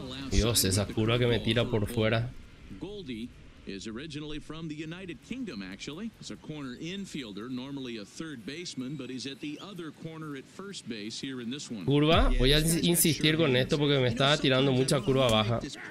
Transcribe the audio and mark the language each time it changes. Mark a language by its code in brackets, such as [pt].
[es] Dios, esa curva que me tira por fuera. [en] Is originally from the United Kingdom, actually. He's a corner infielder, normally a third baseman, but he's at the other corner at first base here in this one. [es] Curva, voy a insistir con esto porque me estaba tirando mucha curva baja.